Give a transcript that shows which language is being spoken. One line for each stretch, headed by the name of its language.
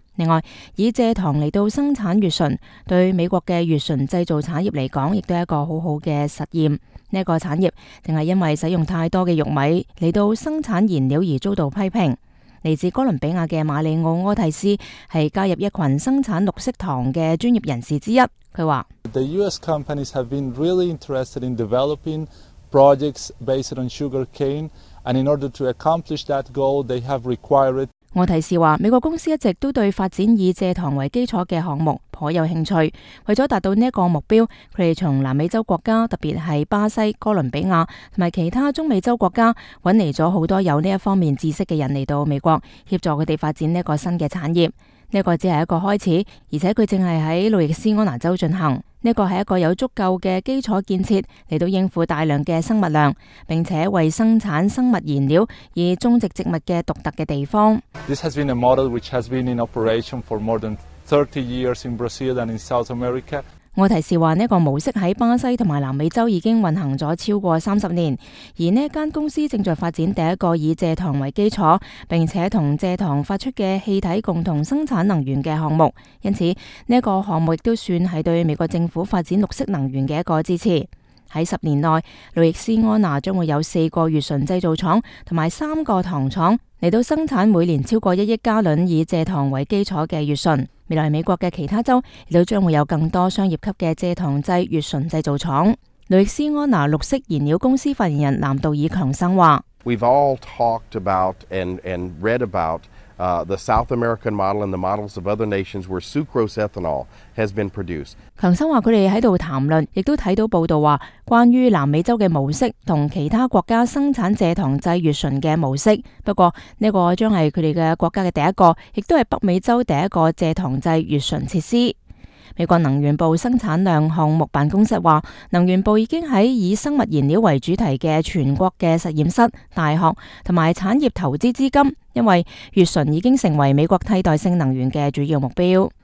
Chinese: 另外，以蔗糖来到生产乙醇，对美国的乙醇制造产业来讲，亦都是一个很好的实验。这个产业正是因为使用太多的玉米来到生产燃料而遭到批评。来自哥伦比亚的马里奥·柯蒂斯是加入一群生产绿色糖的专业人士之一。他说
English: ：The U.S. companies have been really interested in developing projects based on sugar cane, and in order to accomplish that goal, they have required.
Chinese: 柯蒂斯说，美国公司一直都对发展以蔗糖为基础的项目颇有兴趣。为了达到这个目标，他们从南美洲国家，特别是巴西、哥伦比亚和其他中美洲国家，找来了很多有这方面知识的人来到美国，协助他们发展这个新的产业。这个只是一个开始，而且它正是在路易斯安那州进行。这个是一个有足够的基础建设来到应付大量的生物量，并且为生产生物燃料而种植植物的独特的地方。
English: This has been a model which has been in operation for more than 30 years in Brazil and in South America.
Chinese: 我提示说，这个模式在巴西和南美洲已经运行了超过30年，而这间公司正在发展第一个以蔗糖为基础，并且与蔗糖发出的气体共同生产能源的项目，因此这个项目也算是对美国政府发展绿色能源的一个支持。在10年内，路易斯安那将会有4个乙醇制造厂和3个糖厂来到生产每年超过1亿加仑以蔗糖为基础的乙醇。未来美国的其他州也将会有更多商业级的蔗糖制乙醇制造厂。路易斯安那绿色燃料公司发言人南道尔强生说
English: We've all talked about and read aboutthe South American model and the models of other nations where sucrose ethanol has been produced.
Chinese: 强生说他们在这里谈论，也都看到报道说关于南美洲的模式和其他国家生产蔗糖制乙醇的模式。不过这个将是他们的国家的第一个，也都是北美洲第一个蔗糖制乙醇设施。美国能源部生产量项目办公室说，能源部已经在以生物燃料为主题的全国的实验室、大学和产业投资资金，因为月唇已经成为美国替代性能源的主要目标。